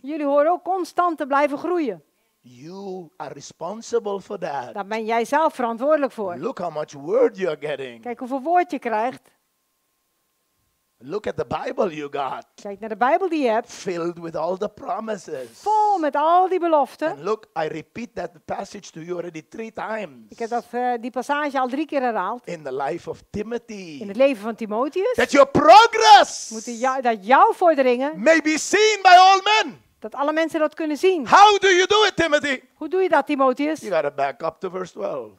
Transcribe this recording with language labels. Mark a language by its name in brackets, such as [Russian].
[Dutch] Jullie horen ook constant te blijven groeien. [English] You are responsible for that. [Dutch] Daar ben jij zelf verantwoordelijk voor. [English] Look how much word you are getting. [Dutch] Kijk hoeveel woord je krijgt. [English] Look at the Bible you got. [Dutch] Kijk naar de Bijbel die je hebt. [English] Filled with all the promises. [Dutch] Vol met al die beloften. [English] And look, I repeat that passage to you already 3 times. [Dutch] Ik heb die passage al 3 keer herhaald. [English] In the life of Timothy. [Dutch] In het leven van Timotheus. [English] That your progress. [Dutch] Dat jouw vorderingen. [English] May be seen by all men. [Dutch] Dat alle mensen dat kunnen zien. [English] How do you do it, Timothy? [Dutch] Hoe doe je dat, Timotheus? [English] You gotta back up to verse 12.